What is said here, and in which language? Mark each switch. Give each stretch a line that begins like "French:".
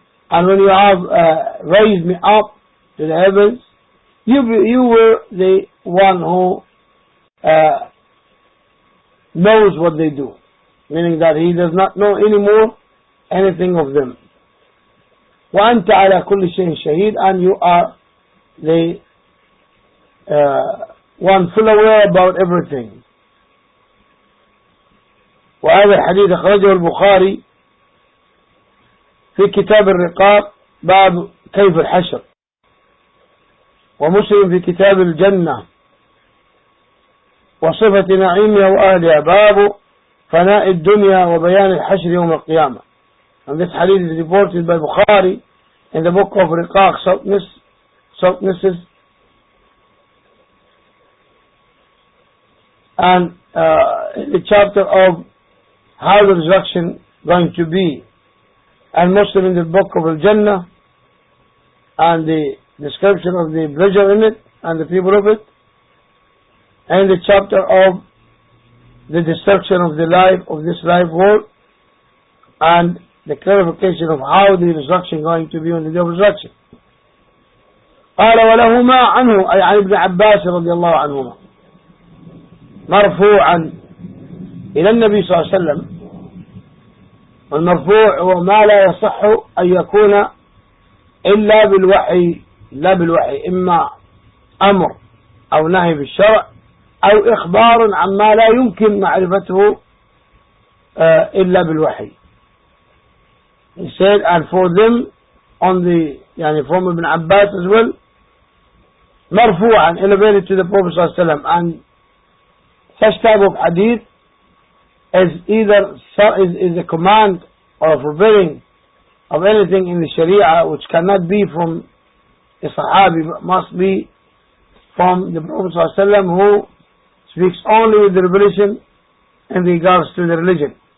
English: And when you have raised me up to the heavens, you were the one who knows what they do. Meaning that he does not know anymore anything of them.
Arabic: وَأَنْتَ عَلَى كُلِّ شَيْءٍ شَهِيدٍ.
English: And you are the one full aware about everything.
Arabic: وهذا الحديث أخرجه البخاري في كتاب الرقاب باب كيف الحشر, ومسلم في كتاب الجنة وصفة نعيمها وأهلها باب فناء الدنيا وبيان الحشر يوم القيامة.
English: And this hadith is reported by Bukhari in the book of Riqaq Saltnesses and the chapter of how the resurrection going to be, and Muslim in the book of Al-Jannah and the description of the pleasure in it and the people of it, and the chapter of the destruction of the life of this life world and the clarification of how the resurrection is going to be on the day of resurrection.
Arabic: قال ولهما عنه أي عن ابن عباس رضي الله عنهما مرفوعا إلى النبي صلى الله عليه وسلم. والمرفوع هو ما لا يصح أن يكون إلا بالوحي, لا بالوحي, إما أمر أو نهي بالشرع أو إخبار عما لا يمكن معرفته إلا بالوحي.
English: He said, and for them, on the, يعني from Ibn Abbas as well, مرفوعا, elevated to the Prophet صلى الله عليه وسلم, and such type of hadith is either is a command or a forbidding of anything in the Sharia, which cannot be from a Sahabi, but must be from the Prophet ﷺ, who speaks only with the revelation in regards to the religion.